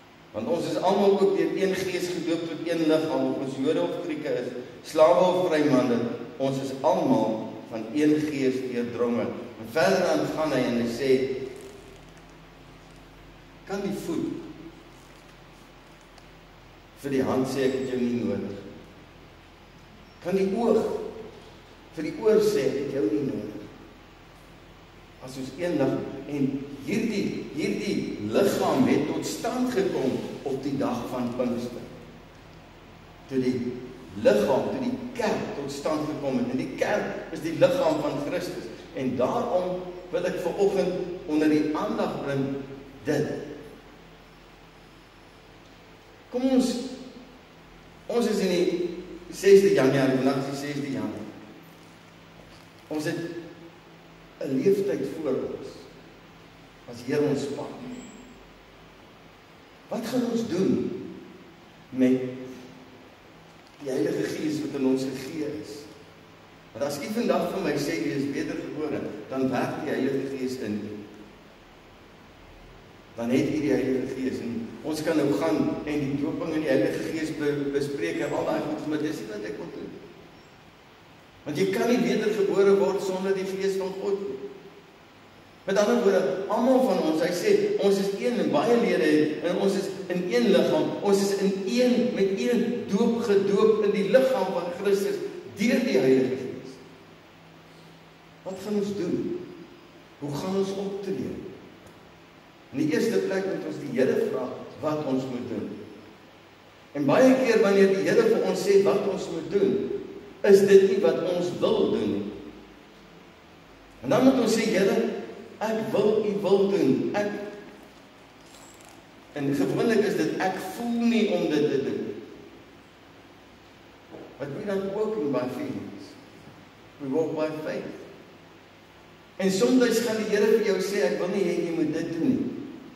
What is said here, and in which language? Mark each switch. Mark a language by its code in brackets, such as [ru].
[af] Want ons is almal ook deur een Gees gedoop tot een liggaam, of ons Jode of Grieke is, slawe of vrye manne, ons is almal van een Gees deurdronge. En verder aan gaan hy en hy sê, kan die voet vir die hand sê, ek het jou nie nodig? Kan die oog vir die oor sê, ek het jou nie nodig? As ons een dag, en hierdie liggaam het tot stand gekom op die dag van Pinkster. Toe die liggaam, toe die kerk tot stand gekom het, en die kerk is die liggaam van Christus. En daarom wil ek vanoggend onder die aandag bring dit. Kom ons is in die 6de Januarie, vandag is die 6de Januarie. Ons het 'n leeftyd voor ons as Here ons pad. Wat gaan ons doen met die Heilige Gees wat in ons gegee is? Want as u vandag vir my sê jy is wedergebore, dan werk die Heilige Gees in. Dan het u die Heilige Gees in. Ons kan nou gaan en die dooping in die Heilige Gees bespreek en al daai goed, maar dis nie wat ek wil doen. Want jy kan nie wedergebore word sonder die Gees van God. Met ander woorde, almal van ons, hy sê, ons is een en baie lede het, en ons is in een liggaam, ons is in een met een doop gedoop in die liggaam van Christus, deur die Heilige Gees. Wat gaan ons doen? Hoe gaan ons optree? In die eerste plek moet ons die Here vra wat ons moet doen. En baie keer wanneer die Here vir ons sê wat ons moet doen, is dit nie wat ons wil doen. En dan moet ons sê, Here, ek wil u wil doen. Ek, en gewoonlik is dit, ek voel nie om dit te doen. Wat [en] we're not walking by feelings. We walk by faith. [af] En soms gaan die Here vir jou sê, ek wil nie hê jy moet dit doen nie.